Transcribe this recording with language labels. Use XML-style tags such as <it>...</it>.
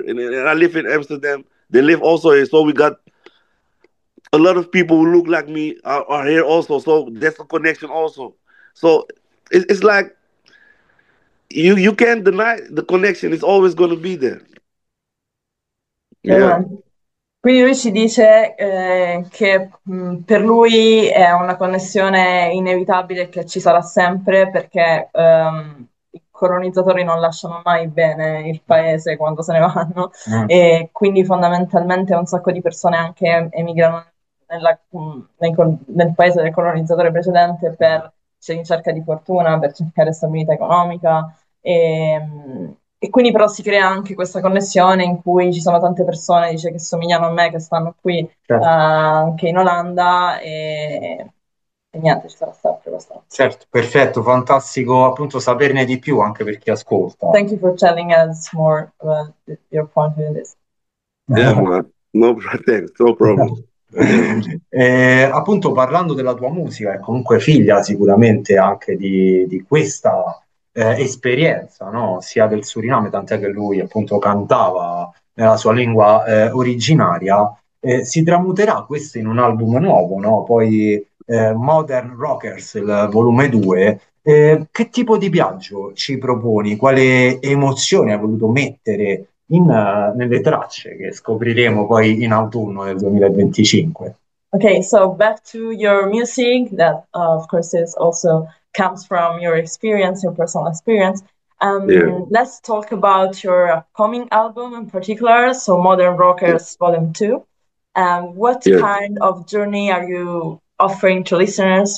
<en>And I live in Amsterdam. They live also here. So we got a lot of people who look like me are here also. So that's a connection also. So it's like you can't deny the connection. It's always going to be there. Yeah.</en> <it>Quindi lui ci dice che per lui è una connessione inevitabile che ci sarà sempre perché i colonizzatori non lasciano mai bene il paese quando se ne vanno e quindi fondamentalmente un sacco di persone anche emigrano nel paese del colonizzatore precedente cioè in cerca di fortuna, per cercare stabilità economica e quindi però si crea anche questa connessione in cui ci sono tante persone, dice, che somigliano a me, che stanno qui anche in Olanda e niente, ci sarà sempre questa. Certo, perfetto, fantastico appunto saperne di più anche per chi ascolta.</it> <en>Thank you for telling us more about your point in this. No problem, no problem.</en> <it>Appunto parlando della tua musica, è comunque figlia sicuramente anche di questa esperienza, no? Sia del Suriname, tant'è che lui appunto cantava nella sua lingua originaria. Si tramuterà questo in un album nuovo, no? Poi Modern Rockers, il volume 2. Che tipo di viaggio ci proponi? Quale emozione hai voluto mettere nelle tracce che scopriremo poi in autunno del 2025?</it> <en>Okay, so back to your music that of course is also comes from your experience, your personal experience. Let's talk about your upcoming album in particular, so Modern Rockers Volume 2. What kind of journey are you offering to listeners?</en>